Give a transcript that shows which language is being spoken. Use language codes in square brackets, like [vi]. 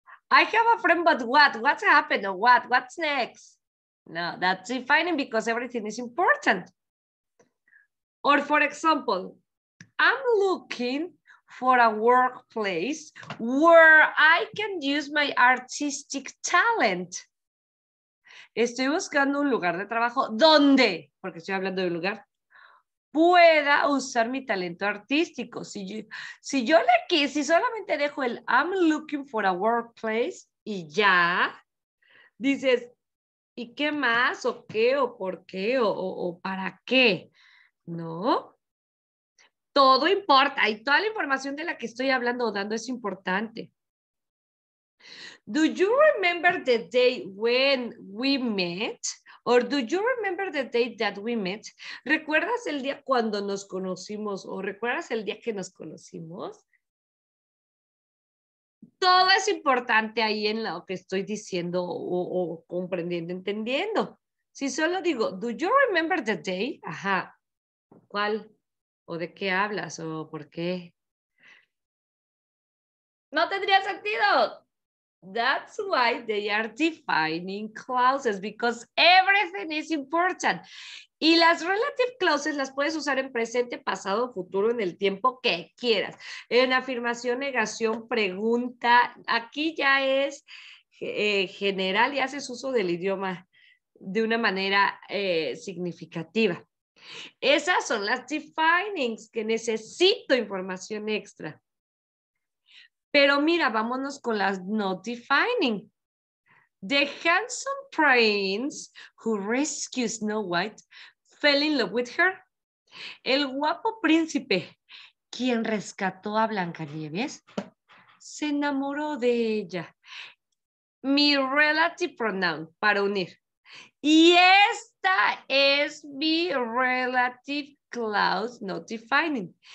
[en] I have a friend, but what? What's happened? Or what? What's next? No, that's defining because everything is important. Or for example, I'm looking for a workplace where I can use my artistic talent. [es] Estoy buscando un lugar de trabajo donde, porque estoy hablando de un lugar, pueda usar mi talento artístico. Si solamente dejo el [en] I'm looking for a workplace [es] y ya, dices, ¿y qué más? ¿O qué? ¿O por qué? ¿O para qué? ¿No? Todo importa y toda la información de la que estoy hablando o dando es importante. [en] Do you remember the day when we met? Or do you remember the day that we met? [es] ¿Recuerdas el día cuando nos conocimos? ¿O recuerdas el día que nos conocimos? Todo es importante ahí en lo que estoy diciendo o comprendiendo, entendiendo. Si solo digo, [en] do you remember the day? [es] Ajá, ¿cuál? ¿O de qué hablas? ¿O por qué? No tendría sentido. [en] That's why they are defining clauses, because everything is important. [es] Y las relative clauses las puedes usar en presente, pasado, futuro, en el tiempo que quieras. En afirmación, negación, pregunta. Aquí ya es general y haces uso del idioma de una manera significativa. Esas son las definings que necesito información extra. Pero mira, vámonos con las no defining. [en] The handsome prince who rescues Snow White fell in love with her. [es] El guapo príncipe, quien rescató a Blancanieves, se enamoró de ella. Mi relative pronoun para unir. Y esta es mi relative clause not defining.